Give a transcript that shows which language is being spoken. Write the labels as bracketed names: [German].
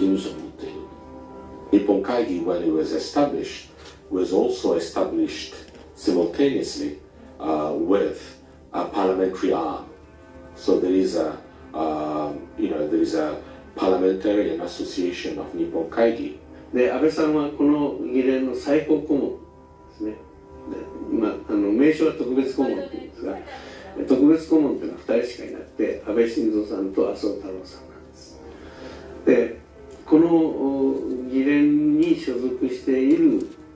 [Japanese] だから彼女は神社の中にですね、当然、費用なんか取られてないと思うけど、事務所を持っている。日本会議 [English] when it was established was also established simultaneously with a parliamentary arm. So there is a there is a parliamentary association of [Japanese] 日本会議。で、安倍さんはこの議連の最高顧問ですね。名称は特別顧問って言うんですが、特別顧問っていうのは2人しかいなくて、安倍晋三さんと麻生太郎さんなんです。で、この議連に所属している